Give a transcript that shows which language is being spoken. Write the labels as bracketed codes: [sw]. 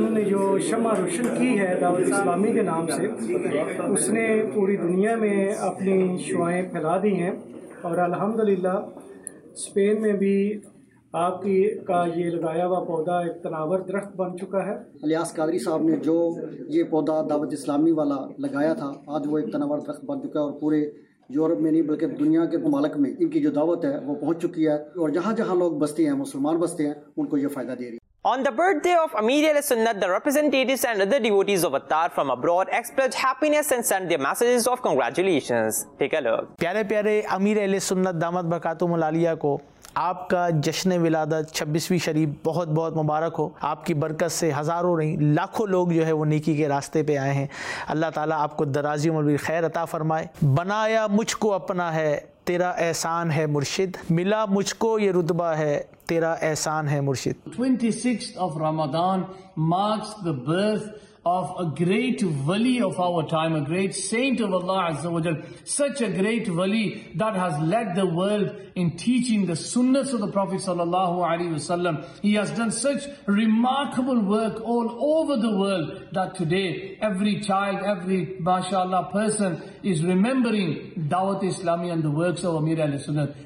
[ur] انہوں نے جو شمع روشن کی ہے دعوت اسلامی کے نام سے، اس نے پوری دنیا میں اپنی شعائیں پھیلا دی ہیں اور الحمدللہ اسپین میں بھی آپ کی کا یہ لگایا ہوا پودا ایک تناور درخت بن چکا ہے۔ الیاس قادری صاحب نے جو یہ پودا دعوت اسلامی والا لگایا تھا آج وہ ایک تناور درخت بن چکا ہے اور پورے یورپ میں نہیں بلکہ دنیا کے ممالک میں ان کی جو دعوت ہے وہ پہنچ چکی ہے اور جہاں جہاں لوگ بستے ہیں، مسلمان بستے ہیں، ان کو یہ فائدہ دے رہی ہے۔ [en] On the birthday of Amir al-Sunnat, the representatives and other devotees of Attar from abroad expressed happiness and sent their messages of congratulations. Take a look. [ur] پیارے پیارے امیر al-Sunnat دامت برکاتہم العالیہ کو آپ کا جشن ولادت 26ویں شریف بہت بہت مبارک ہو۔ آپ کی برکت سے ہزاروں نہیں لاکھوں لوگ جو ہے وہ نیکی کے راستے پہ آئے ہیں۔ اللہ تعالیٰ آپ کو درازی عمر بھی خیر عطا فرمائے۔ بنایا مجھ کو اپنا ہے تیرا احسان ہے مرشد، ملا مجھ کو یہ رتبہ ہے تیرا احسان ہے مرشد۔ [en] 26th of Ramadan marks the birth of a great wali of our time, a great saint of Allah Azza wa Jal, such a great wali that has led the world in teaching the sunnahs of the Prophet sallallahu alaihi wasallam. He has done such remarkable work all over the world that today every child, every mashallah person is remembering Dawat Islami and the works of Amir al-Sunnah.